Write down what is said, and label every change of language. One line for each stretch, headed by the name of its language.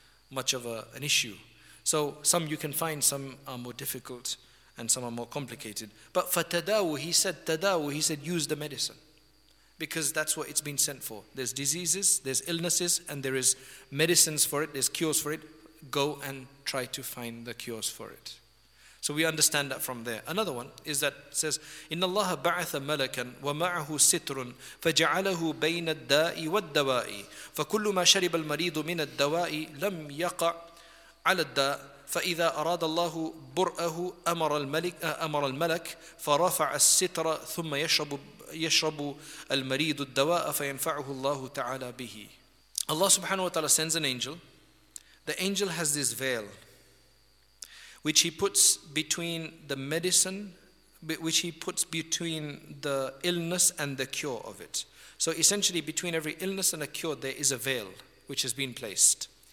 English: Much of an issue. So some you can find, some are more difficult and some are more complicated. But for tadawu, he said use the medicine. Because that's what it's been sent for. There's diseases, there's illnesses, and there is medicines for it, there's cures for it. Go and try to find the cures for it. So we understand that from there.
Arabic: Another one is that says, إِنَّ اللَّهَ بَعَثَ مَلَكًا وَمَعَهُ سِتْرٌ فَجَعَلَهُ بَيْنَ الدَّاءِ وَالدَّوَاءِ فَكُلُّ مَا شَرِبَ الْمَرِيضُ مِنَ الدَّوَاءِ لَمْ يَقَعْ عَلَى الدَّاءِ فَإِذَا أَرَادَ اللَّهُ بُرْأَهُ أَمَرَ الْمَلَكُ فَرَفَعَ السِّتْرَ ثُمَّ يَشْرَبُ الْمَرِيضُ الدَّوَاءَ فَيَنْفَعُهُ اللَّهُ تَعَالَى بِهِ.
English: Allah subhanahu wa ta'ala sends an angel. The angel has this veil, which he puts between the medicine, which he puts between the illness and the cure of it. So essentially, between every illness and a cure, there is a veil which has been placed.